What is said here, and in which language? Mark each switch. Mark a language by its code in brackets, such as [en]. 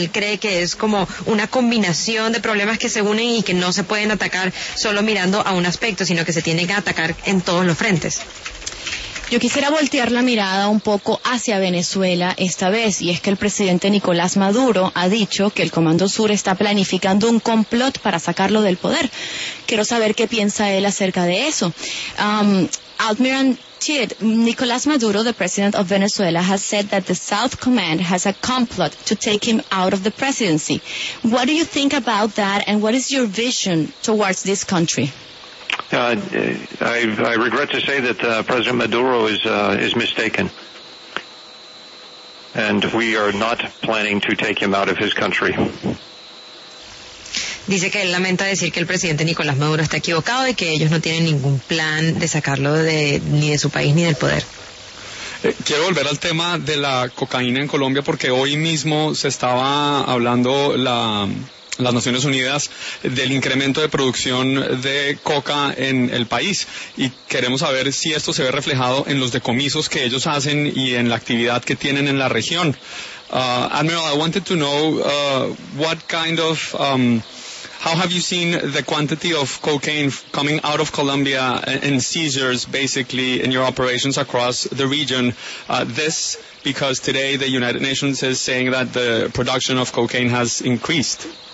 [es] Él cree que es como una combinación de problemas que se unen y que no se pueden atacar solo mirando a un aspecto, sino que se tienen que atacar en todos los frentes. Yo quisiera voltear la mirada un poco hacia Venezuela esta vez, y es que el presidente Nicolás Maduro ha dicho que el Comando Sur está planificando un complot para sacarlo del poder. Quiero saber qué piensa él acerca de eso. [en] Admiral Chid, Nicolás Maduro, the president of Venezuela, has said that the South Command has a complot to take him out of the presidency. What do you think about that, and what is your vision towards this country? I regret to say that President Maduro is mistaken, and we are not planning to take him out of his country. [es] Dice que él lamenta decir que el presidente Nicolás Maduro está equivocado y que ellos no tienen ningún plan de sacarlo ni de su país ni del poder. Quiero volver al tema de la cocaína en Colombia, porque hoy mismo se estaba hablando las Naciones Unidas del incremento de producción de coca en el país, y queremos saber si esto se ve reflejado en los decomisos que ellos hacen y en la actividad que tienen en la región. [en] Admiral, I wanted to know what kind of how have you seen the quantity of cocaine coming out of Colombia and seizures basically in your operations across the region? This because today the United Nations is saying that the production of cocaine has increased.